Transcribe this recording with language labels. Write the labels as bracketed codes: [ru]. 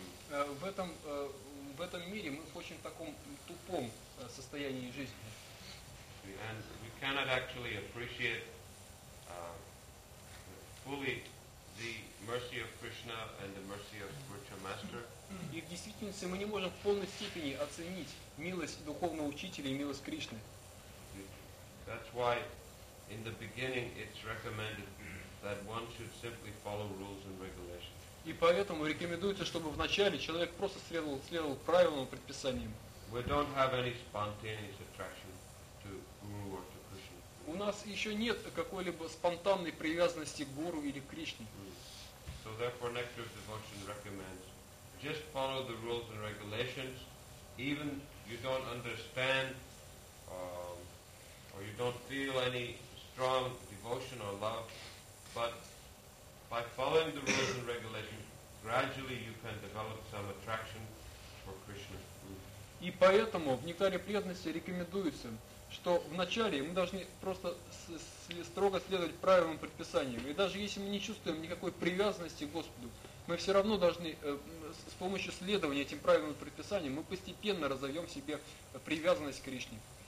[ru] В этом мире мы в очень таком тупом состоянии жизни. [en] And we cannot actually appreciate fully the mercy of Krishna and the mercy of spiritual master. [ru] И в действительности мы не можем в полной степени оценить милость духовного учителя и милость Кришны. [en] That's why in the beginning it's recommended that one should simply follow rules and regulations. [ru] И поэтому рекомендуется, чтобы вначале человек просто следовал правилам и предписаниям. [en] We don't have any spontaneous attraction to Guru or to Krishna. [ru] У нас еще нет какой-либо спонтанной привязанности к Гуру или к Кришне. [en] So therefore, Nectar of Devotion recommends just follow the rules and regulations, even you don't understand or you don't feel any strong devotion or love. But by following the rules and regulations, gradually you can develop some attraction for Krishna. [ru] И поэтому в нектаре преданности рекомендуется, что вначале мы должны просто строго следовать правилам и предписаниям. И даже если мы не чувствуем никакой привязанности к Господу, мы все равно должны с помощью следования этим правилам и предписаниям мы постепенно разовьем в себе привязанность к Кришне.